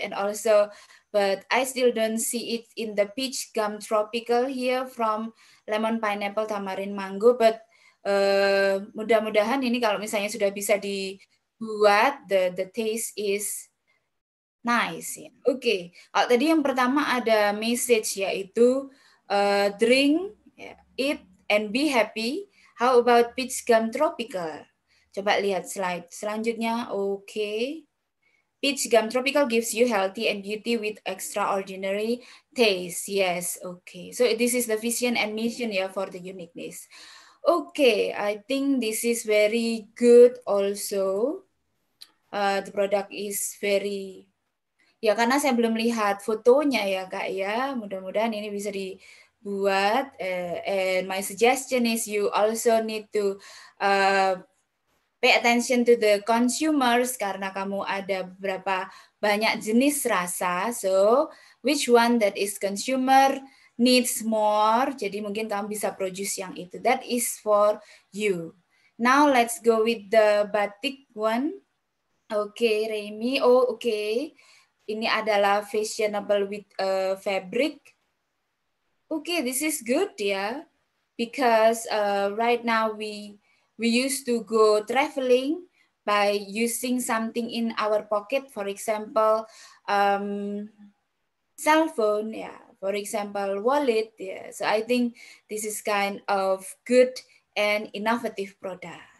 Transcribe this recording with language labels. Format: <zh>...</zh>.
<en>And also, but I still don't see it in the peach gum tropical here from lemon, pineapple, tamarind, mango.</en> <id>But mudah-mudahan ini kalau misalnya sudah bisa dibuat,</id> <en>the taste is nice. Oke. Okay. Oh,</en> <id>tadi yang pertama ada</id> <en>message,</en> <id>yaitu</id> <en>drink, eat, and be happy. How about peach gum tropical?</en> <id>Coba lihat slide selanjutnya.</id> <en>Oke. Okay. Peach gum tropical gives you healthy and beauty with extraordinary taste. Yes. Oke. Okay. So this is the vision and mission, yeah, for the uniqueness. Oke. Okay. I think this is very good also. The product is very,</en> <id>ya, karena saya belum lihat fotonya, ya, Kak, ya. Mudah-mudahan ini bisa dibuat.</id> <en>And my suggestion is you also need to pay attention to the consumers,</en> <id>karena kamu ada berapa banyak jenis rasa.</id> <en>So, which one that is consumer needs more?</en> <id>Jadi mungkin kamu bisa produce yang itu.</id> <en>That is for you. Now, let's go with the batik one. Okay, Remy. Oh, okay.</en> <id>Ini adalah</id> <en>fashionable with fabric. Okay, this is good, ya. Yeah? Because right now we used to go traveling by using something in our pocket. For example, cell phone, ya. Yeah. For example, wallet, ya. Yeah. So I think this is kind of good and innovative product.</en>